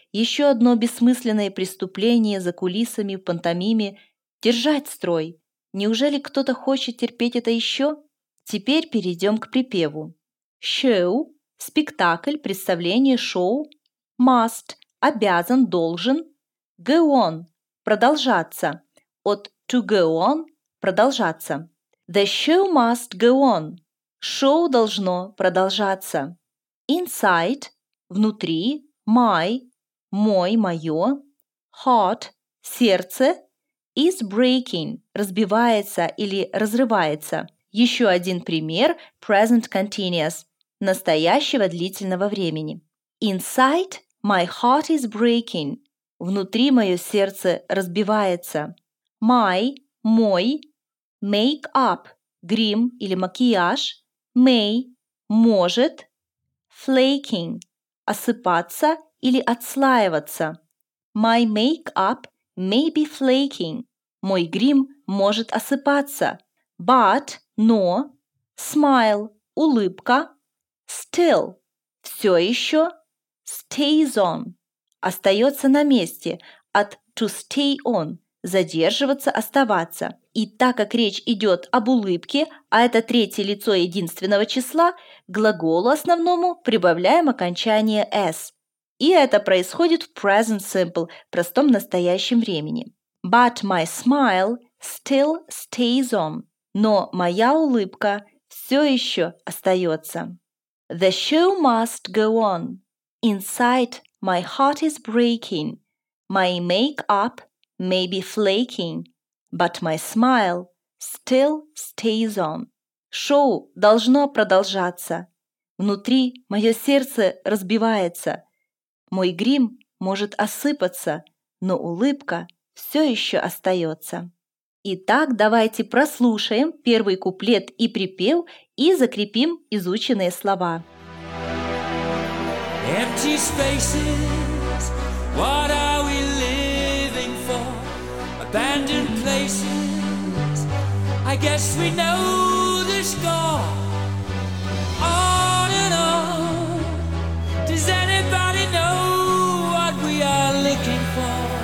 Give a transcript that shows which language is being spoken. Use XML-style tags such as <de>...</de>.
<ru>Еще одно бессмысленное преступление за кулисами в пантомиме. Держать строй. Неужели кто-то хочет терпеть это еще? Теперь перейдем к припеву.</ru> <en>Show</en> <ru>– спектакль, представление, шоу.</ru> <en>Must</en> <ru>– обязан, должен.</ru> <en>Go on –</en> <ru>продолжаться. От</ru> <en>to go on –</en> <ru>продолжаться.</ru> <en>The show must go on.</en> <ru>Шоу должно продолжаться.</ru> <en>Inside</en> <ru>– внутри.</ru> <en>My</en> <ru>– мой, мое.</ru> <en>Heart</en> <ru>– сердце.</ru> <en>Is breaking</en> <ru>– разбивается или разрывается. Еще один пример – present continuous – настоящего длительного времени.</ru> <en>Inside – my heart is breaking –</en> <ru>внутри мое сердце разбивается.</ru> <en>My</en> <ru>– мой.</ru> <en>Make up</en> <ru>– грим или макияж.</ru> <en>May</en> <ru>– может.</ru> <en>Flaking –</en> <ru>осыпаться или отслаиваться.</ru> <en>My make up may be flaking.</en> <ru>Мой грим может осыпаться.</ru> <en>But,</en> <ru>но,</ru> <en>smile,</en> <ru>улыбка,</ru> <en>still,</en> <ru>все еще,</ru> <en>stays on,</en> <ru>остается на месте, от</ru> <en>to stay on,</en> <ru>задерживаться, оставаться. И так как речь идет об улыбке, а это третье лицо единственного числа, к глаголу основному прибавляем окончание s. И это происходит в present simple, в простом настоящем времени.</ru> <en>But my smile still stays on.</en> <ru>Но моя улыбка все еще остается.</ru> <en>The show must go on. Inside my heart is breaking. My makeup may be flaking, but my smile still stays on.</en> <ru>Шоу должно продолжаться. Внутри мое сердце разбивается. Мой грим может осыпаться, но улыбка все еще остается. Итак, давайте прослушаем первый куплет и припев и закрепим изученные слова.</ru> <en>Empty spaces, what are we living for? Abandoned places, I guess we know the score. On and on, does anybody know what we are looking for?</en>